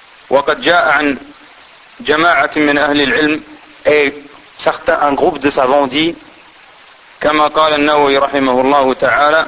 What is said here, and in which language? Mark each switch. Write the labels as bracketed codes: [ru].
[ar] وقد جاء عن جماعة من أهل العلم [fr] et certains un groupe de savants dit [ar] كما قال النووي رحمه الله تعالى